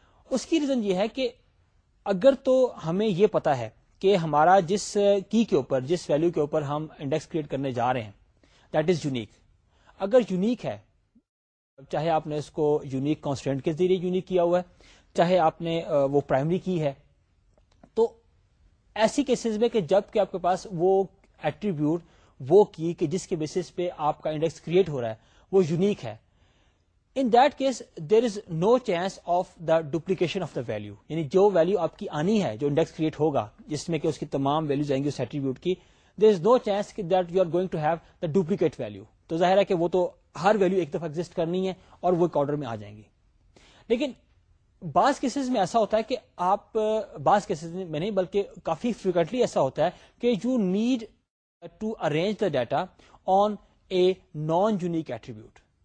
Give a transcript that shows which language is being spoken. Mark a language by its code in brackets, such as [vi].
[ur] اس کی ریزن یہ ہے کہ اگر تو ہمیں یہ پتا ہے کہ ہمارا جس کی کے اوپر جس ویلیو کے اوپر ہم انڈیکس کریٹ کرنے جا رہے ہیں [en] that is unique, [ur] اگر یونیک ہے چاہے آپ نے اس کو یونیک کانسٹنٹ کے ذریعے یونیک کیا ہوا ہے چاہے آپ نے وہ پرائمری کی ہے, تو ایسی کیسز میں کہ جب کہ آپ کے پاس وہ ایٹریبیوٹ وہ کی کہ جس کے بیسس پہ آپ کا انڈیکس کریٹ ہو رہا ہے وہ یونیک ہے, [en] In that case, there is no chance of the duplication of the value. [ur] یعنی جو ویلو آپ کی آنی ہے جو انڈیکس کریٹ ہوگا جس میں کہ اس کی تمام ویلوز آئیں گی اس ایٹریبیوٹ کی, [en] There is no chance that you are going to have the duplicate value. [ur] تو ظاہر ہے کہ وہ تو ہر ویلو ایک دفعہ ایگزٹ کرنی ہے اور وہ ایک آرڈر میں آ جائیں گی. لیکن بعض کیسز میں ایسا ہوتا ہے کہ آپ بعض کیسز میں نہیں بلکہ کافی فریکوینٹلی ایسا ہوتا ہے کہ [en] You need to arrange the data on a non unique attribute.